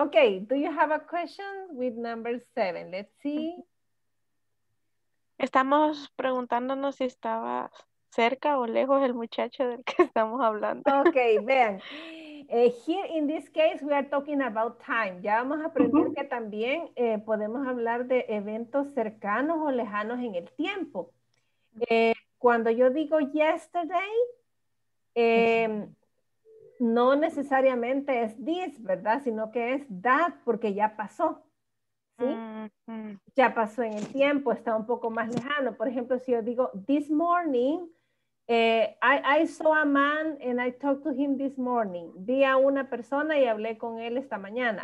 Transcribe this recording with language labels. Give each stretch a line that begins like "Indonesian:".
English: Okay, do you have a question with number 7? Let's see.
Spanish: Estamos preguntándonos si estaba cerca o lejos el muchacho del que estamos hablando. Okay, vean.
English: Here in this case we are talking about time.
Spanish: Ya vamos a aprender que también podemos hablar de eventos cercanos o lejanos en el tiempo. Cuando yo digo yesterday, no necesariamente es this, ¿verdad? Sino que es that, porque ya pasó, ¿sí? Uh-huh. Ya pasó en el tiempo, está un poco más lejano. Por ejemplo, si yo digo
English: this morning, I saw a man and I talked to him this morning.
Spanish: Vi a una persona y hablé con él esta mañana.